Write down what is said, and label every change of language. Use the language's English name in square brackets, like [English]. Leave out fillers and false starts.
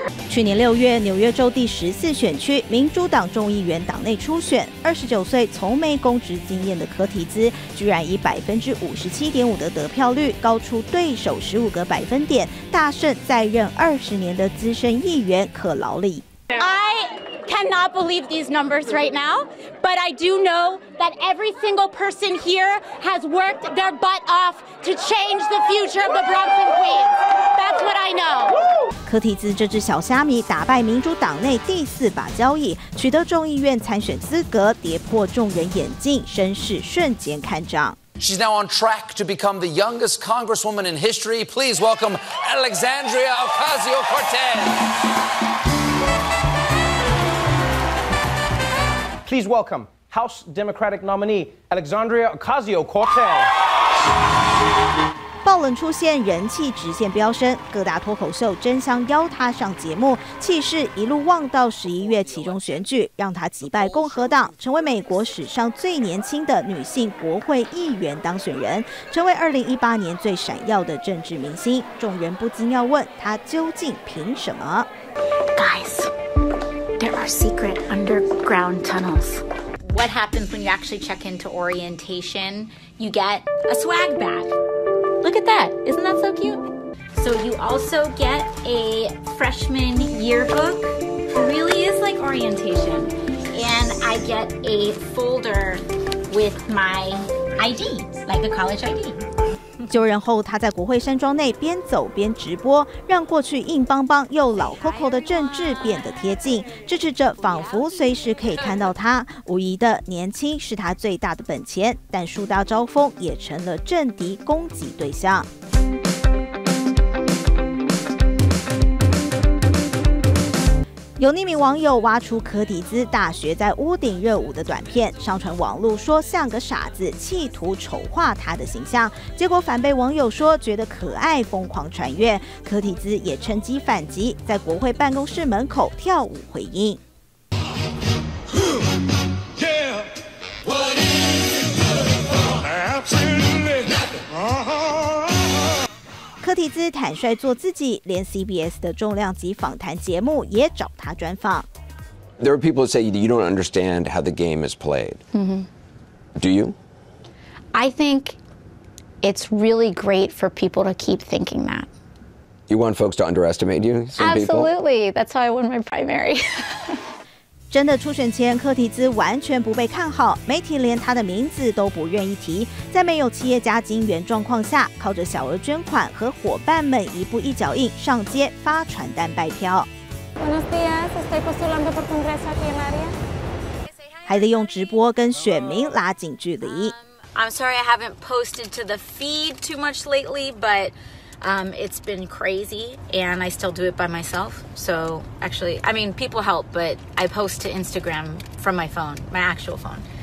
[Chinese] 去年六月，纽约州第14选区民主党众议员党内初选，29岁、从没公职经验的柯提兹，居然以57.5%的得票率，高出对手15个百分点，大胜在任20年的资深议员克劳利。 [English] I cannot believe these numbers right now, but I do know that every single person here has worked their butt off to change the future of the Bronx and Queens. That's what I know. [Chinese] 柯提兹这只小虾米打败民主党内第四把交椅，取得众议院参选资格，跌破众人眼镜，声势瞬间看涨。 [English] She's now on track to become the youngest congresswoman in history. Please welcome Alexandria Ocasio-Cortez. Please welcome House Democratic nominee Alexandria Ocasio-Cortez. [Chinese] 爆冷出现，人气直线飙升，各大脱口秀争相邀她上节目，气势一路旺到11月其中选举，让她击败共和党，成为美国史上最年轻的女性国会议员当选人，成为2018年最闪耀的政治明星。众人不禁要问她究竟凭什么 [English] ？Guys, there are secret underground tunnels. What happens when you actually check into orientation? You get a swag bag. Look at that. Isn't that so cute? So you also get a freshman yearbook. It really is like orientation. And I get a folder with my ID, like a college ID. [Chinese] 就任后，他在国会山庄内边走边直播，让过去硬邦邦又老 Coco 的政治变得贴近，支持者仿佛随时可以看到他。无疑的，年轻是他最大的本钱，但树大招风也成了政敌攻击对象。有匿名网友挖出柯迪兹大学在屋顶热舞的短片，上传网络说像个傻子，企图丑化他的形象，结果反被网友说觉得可爱，疯狂传阅。柯迪兹也趁机反击，在国会办公室门口跳舞回应。柯提兹坦率做自己，连 CBS 的重量级访谈节目也找他专访。 [English] There are people who say you don't understand how the game is played. Do you? I think it's really great for people to keep thinking that. You want folks to underestimate you? Absolutely. That's how I won my primary. [Chinese] 真的初选前，柯提兹完全不被看好，媒体连他的名字都不愿意提。在没有企业家金援状况下，靠着小额捐款和伙伴们一步一脚印上街发传单拜票。 [Spanish] Buenos días, estoy postulando por Congreso aquí en área. [Chinese] 还利用直播跟选民拉近距离。 [English] I'm sorry I haven't posted to the feed too much lately, but it's been crazy, and I still do it by myself. So actually, I mean, people help, but I post to Instagram from my phone, my actual phone.